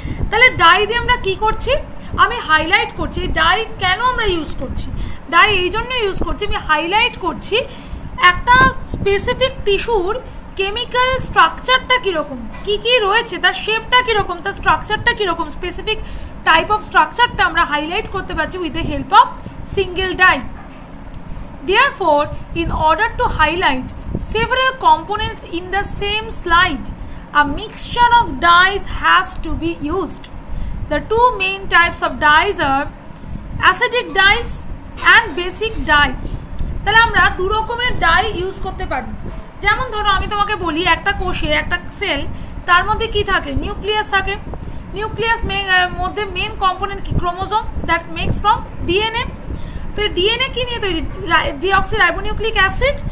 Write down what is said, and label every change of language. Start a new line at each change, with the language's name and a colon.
Bangla: তাহলে ডাই দিয়ে আমরা কী করছি, আমি হাইলাইট করছি। ডাই কেন আমরা ইউজ করছি, ডাই এই জন্য ইউজ করছি আমি হাইলাইট করছি একটা স্পেসিফিক টিস্যুর কেমিক্যাল স্ট্রাকচারটা কীরকম, কী কী রয়েছে, তার শেপটা কীরকম, তার স্ট্রাকচারটা কীরকম, স্পেসিফিক টাইপ অফ স্ট্রাকচারটা আমরা হাইলাইট করতে পারছি
English: With the help of single dye. Therefore, in order to highlight several components in the same slide, a mixture of dyes has to be used. The two main types of dyes are acidic dyes and basic dyes.
Bangla: তাহলে আমরা দু রকমের die use করতে পারি। যেমন ধরো আমি তোমাকে বলি একটা কোষে, একটা সেল, তার মধ্যে কী থাকে, নিউক্লিয়াস থাকে। নিউক্লিয়াস মধ্যে মেন কম্পোনেন্ট কি, chromosome,
English: That makes from DNA.
Bangla: তো ডিএনএ কি নিয়ে তৈরি, ডিঅক্সি রাইবোনিউক্লিক অ্যাসিড।